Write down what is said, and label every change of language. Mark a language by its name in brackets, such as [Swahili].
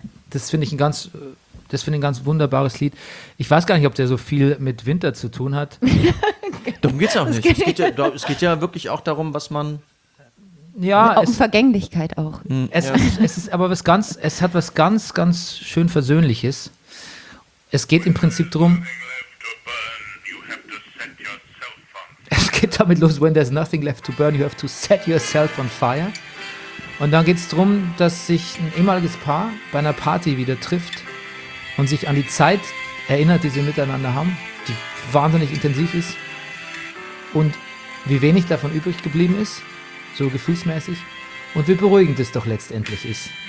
[German] Das finde ich ein ganz wunderbares Lied. Ich weiß gar nicht, ob der so viel mit Winter zu tun hat. Darum geht's auch nicht. Es geht ja wirklich auch darum, was man. Ja, um Vergänglichkeit auch. Es hat was ganz, ganz schön Versöhnliches. Es geht im Prinzip darum. Es geht damit los, [English] when there's nothing left to burn, you have to set yourself on fire. [German] Und dann geht es darum, dass sich ein ehemaliges Paar bei einer Party wieder trifft und sich an die Zeit erinnert, die sie miteinander haben, die wahnsinnig intensiv ist und wie wenig davon übrig geblieben ist, so gefühlsmäßig, und wie beruhigend es doch letztendlich ist.